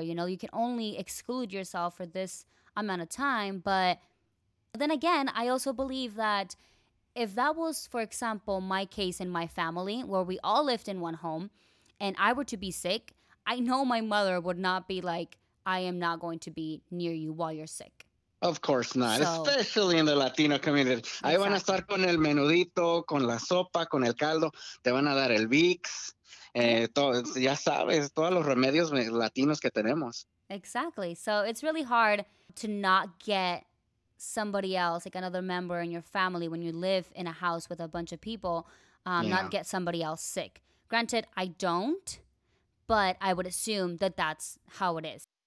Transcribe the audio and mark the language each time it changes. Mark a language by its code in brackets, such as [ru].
[en] You know, you can only exclude yourself for this amount of time, but then again, I also believe that if that was, for example, my case in my family, where we all lived in one home, and I were to be sick, I know my mother would not be like, I am not going to be near you while you're sick. Of course not, so, especially in the Latino community. Exactly. [es] Ahí van a estar con el menudito, con la sopa, con el caldo, te van a dar el Vicks, ya sabes, todos los remedios latinos que tenemos. [en] Exactly. So it's really hard to not get somebody else, like another member in your family, when you live in a house with a bunch of people, not get somebody else sick. Granted, I don't, but I would assume that that's how it is.